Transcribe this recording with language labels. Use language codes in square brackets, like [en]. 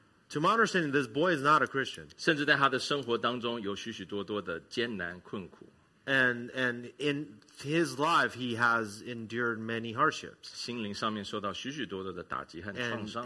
[en] To my understanding, this boy is not a Christian. [zh] 甚至在他的生活当中有许许多多的艰难困苦。 [en] And in his life, he has endured many hardships. [zh] 心灵上面受到许许多多的打击和创伤。